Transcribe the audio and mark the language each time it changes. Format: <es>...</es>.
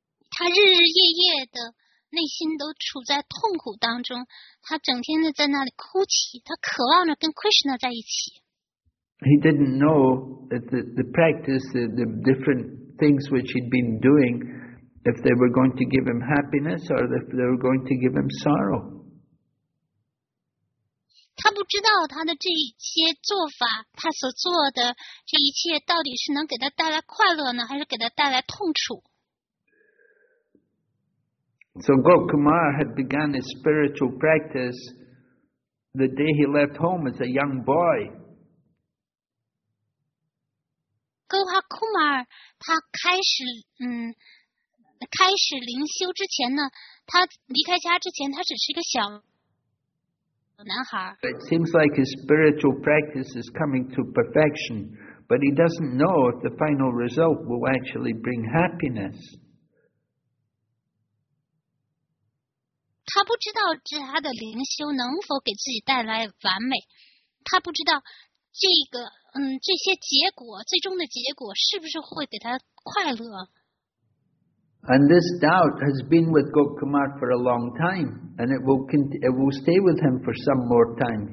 <zh>他日日夜夜的内心都处在痛苦当中，他整天的在那里哭泣，他渴望着跟 Krishna 在一起。</zh> <en>He didn't know that the practice, the different things which he'd been doing, if they were going to give him happiness or if they were going to give him sorrow.</en> <zh>他不知道他的这一些做法他所做的这一切到底是能给他带来快乐呢还是给他带来痛楚</zh> <en>So Gopkumar had begun his spiritual practice the day he left home as a young boy</en> <zh>Gopal Kumar 他开始灵修之前呢他离开家之前他只是一个小</zh> <en>It seems like his spiritual practice is coming to perfection, but he doesn't know if the final result will actually bring happiness.</en> <zh>他不知道这他的灵修能否给自己带来完美，他不知道这些结果最终的结果是不是会给他快乐。</zh> <en>And this doubt has been with Gopkumar for a long time, and it will stay with him for some more time.</en>